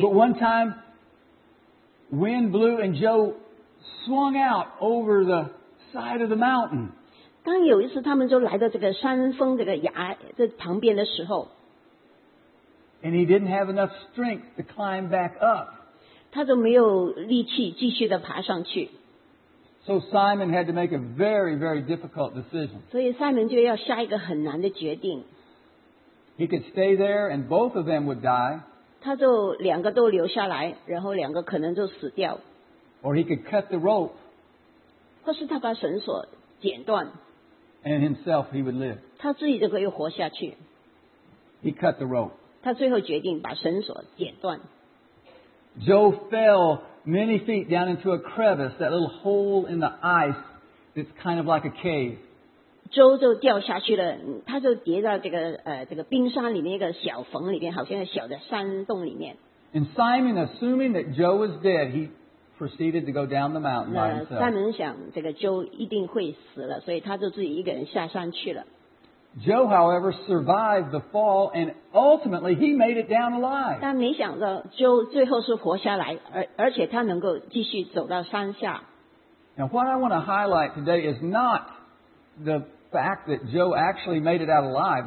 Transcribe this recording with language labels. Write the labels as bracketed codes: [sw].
[en] But one time, wind blew and Joe swung out over the side of the mountain. [zh] 当有一次他们就来到这个山峰这个崖这旁边的时候， [en] and he didn't have enough strength to climb back up. [zh] 他就没有力气继续的爬上去。 [en] So Simon had to make a very, very difficult decision. [zh] 所以Simon就要下一个很难的决定。 [en] He could stay there and both of them would die. [zh] 他就两个都留下来，然后两个可能就死掉。 [en] Or he could cut the rope. [zh] 或是他把绳索剪断。 [en] And himself, he would live. [zh] 他自己就可以活下去。 [en] He cut the rope. [zh] 他最后决定把绳索剪断。 [en] Joe fell many feet down into a crevice, that little hole in the ice that's kind of like a cave. [zh] Joe 就掉下去了，他就跌到这个冰山里面一个小缝里面，好像小的山洞里面。 [en] And Simon, assuming that Joe was dead, he proceeded to go down the mountain by himself. [zh] Simon 想这个Joe一定会死了，所以他就自己一个人下山去了。 [en] Joe, however, survived the fall and ultimately he made it down alive. [zh] 但没想到Joe最后是活下来，而且他能够继续走到山下。 [en] Now what I want to highlight today is not the fact that Joe actually made it out alive.